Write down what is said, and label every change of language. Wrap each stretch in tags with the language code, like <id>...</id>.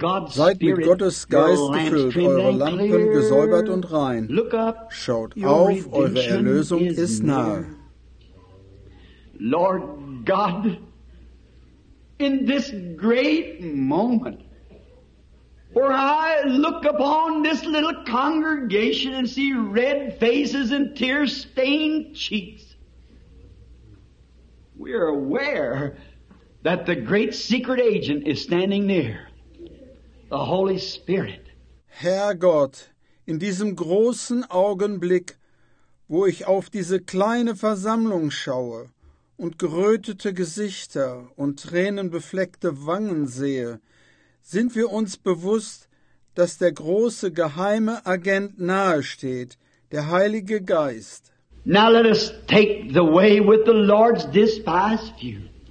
<de>Seid mit Gottes Geist gefüllt, eure Lampen gesäubert und rein. Schaut auf, eure Erlösung ist nahe.</de> <en>Lord God, in this great moment, for I look upon this little congregation and see red faces and tear-stained cheeks. We are aware that the great secret agent is standing near, the Holy Spirit.</en> <de>Herr Gott, in diesem großen Augenblick, wo ich auf diese kleine Versammlung schaue und gerötete Gesichter und tränenbefleckte Wangen sehe, sind wir uns bewusst, dass der große geheime Agent nahesteht, der Heilige Geist.</de> <en>Now let us take the way with the Lord's despised few.</en>